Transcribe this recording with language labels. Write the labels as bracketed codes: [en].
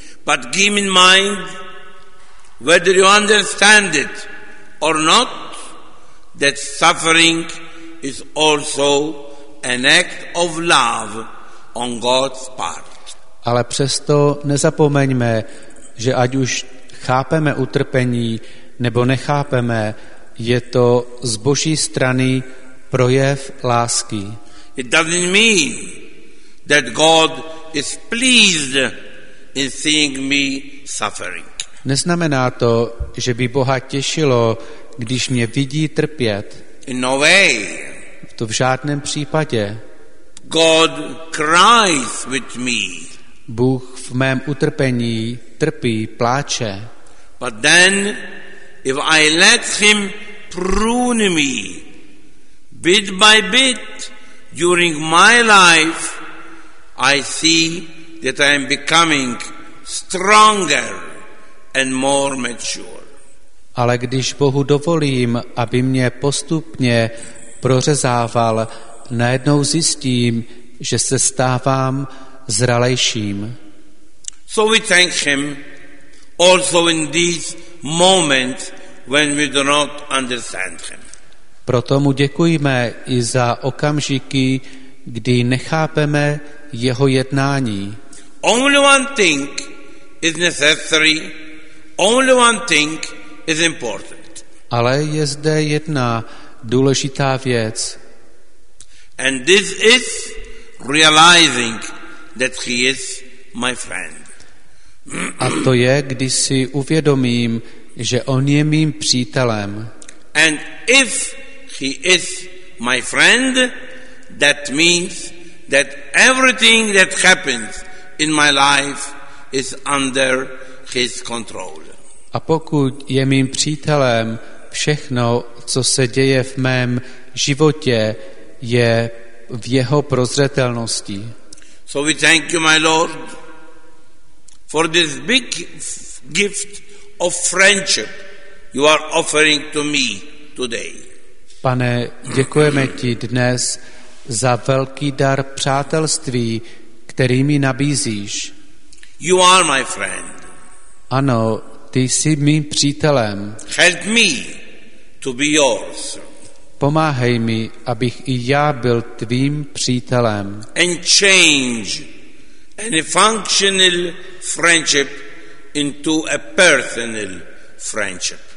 [en] But keep in mind, whether you understand it or not, that suffering is also an act of love on God's part. [cs] Ale přesto nezapomeňme, že ať už chápeme utrpení nebo nechápeme, je to z Boží strany projev lásky. [en] It doesn't mean that God is pleased in seeing me suffering. [cs] Neznamená to, že by Boha těšilo, když mě vidí trpět. [en] In no way. [cs] To v žádném případě. [en] God cries with me. [cs] Bůh v mém utrpení trpí, pláče. [en] But then, if I let him prune me bit by bit during my life, I see that I am becoming stronger and more mature. [cs] Ale když Bohu dovolím, aby mě postupně prořezával, najednou zjistím, že se stávám zralejším. [en] So we thank him also in these moments when we do not understand him. [cs] Proto mu děkujeme i za okamžiky, kdy nechápeme jeho jednání. [en] Only one thing is necessary. Only one thing is important. [cs] Ale je zde jedna důležitá věc. [en] And this is realizing that he is my friend. [cs] A to je, když si uvědomím, že on je mým přítelem. [en] And if he is my friend, that means that everything that happens in my life is under his control. [cs] A pokud je mým přítelem, všechno, co se děje v mém životě, je v jeho prozřetelnosti. [en] So we thank you, my Lord, for this big gift of friendship you are offering to me today. [cs] Pane, děkujeme ti dnes za velký dar přátelství, který mi nabízíš. [en] You are my friend. [cs] Ano, ty jsi mým přítelem. [en] Help me to be yours. [cs] Pomáhej mi, abych i já byl tvým přítelem. [en] And change any functional friendship into a personal friendship.